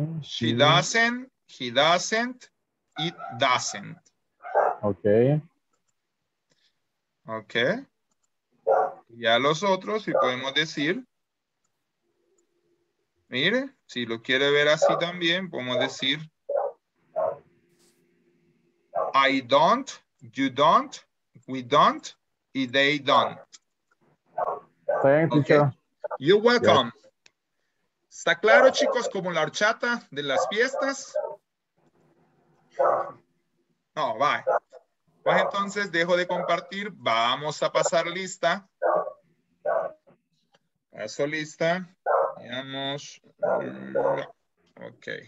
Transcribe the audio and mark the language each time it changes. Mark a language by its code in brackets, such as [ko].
[es] sí. [en] She doesn't, he doesn't, it doesn't. Ok. [es] Ok. Y a los otros, si podemos decir. Mire, si lo quiere ver así también, podemos decir. [en] I don't, you don't, we don't, y they don't. Thank you, okay. You're welcome. Yes. [es] ¿Está claro, chicos, como la horchata de las fiestas? No, va. Pues entonces, dejo de compartir. Vamos a pasar lista. Paso lista. Veamos. Ok.